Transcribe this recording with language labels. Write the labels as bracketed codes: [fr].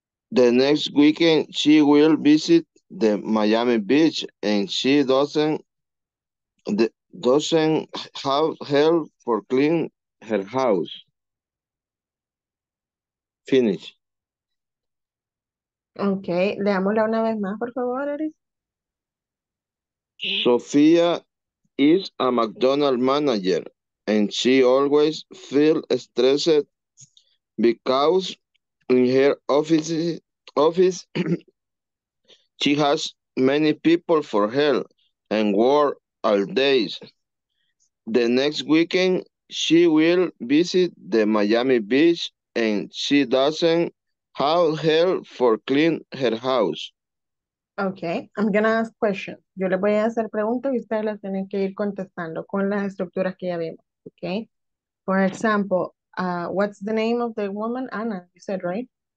[en] The next weekend she will visit the Miami Beach and she doesn't have help for clean her house. Finish. [es] Okay, leámosla una vez más, por favor, Aris. [en] Sofía is a McDonald's manager and she always feels stressed because in her office she has many people for help and work all days. The next weekend she will visit the Miami Beach and she doesn't have help for clean her house. Okay, I'm gonna ask questions. [es] Yo les voy a hacer preguntas y ustedes las tienen que ir contestando con las estructuras que ya vimos, okay? [en] For example, what's the name of the woman, Anna, you said, right?